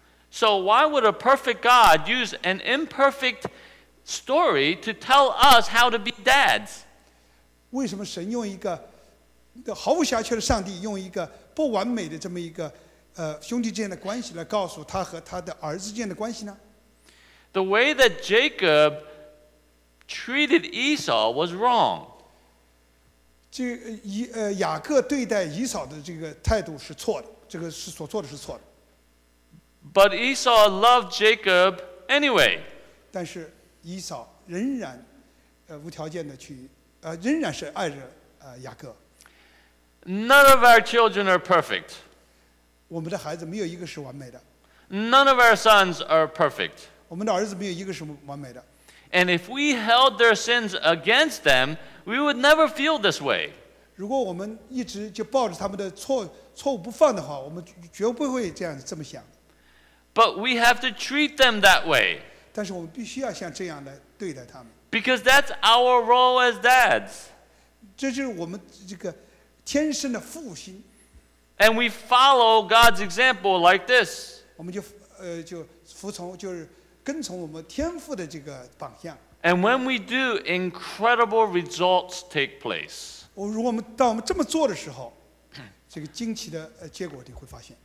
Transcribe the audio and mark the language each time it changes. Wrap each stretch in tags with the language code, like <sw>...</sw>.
<en>So why would a perfect God use an imperfect story to tell us how to be dads?</en> <zh>为什么神用一个毫无瑕疵的上帝用一个不完美的这么一个兄弟之间的关系来告诉他和他的儿子之间的关系呢？</zh> <en>The way that Jacob treated Esau was wrong.</en> <zh>这雅各对待以扫的这个态度是错的，这个是所做的是错的。</zh> <en>But Esau loved Jacob anyway.</en> <zh>但是以扫仍然无条件的去仍然是爱着雅各。</zh> <en>None of our children are perfect.</en> <zh>我们的孩子没有一个是完美的。</zh> <en>None of our sons are perfect.</en> <zh>我们的儿子没有一个是完美的。</zh> <en>And if we held their sins against them, we would never feel this way.</en> <zh>如果我们一直就抱着他们的错误不放的话，我们绝不会这样这么想。</zh> <en>But we have to treat them that way.</en> <zh>但是我们必须要像这样来对待他们。</zh> <en>Because that's our role as dads.</en> <zh>这就是我们这个天生的父心。</zh> <en>And we follow God's example like this.</en> <zh>我们就服从就是。跟从我们天父的这个榜样。</zh> <en>And when we do, incredible results take place.</en> <zh>如果我们当我们这么做的时候，这个惊奇的结果你会发现。</zh>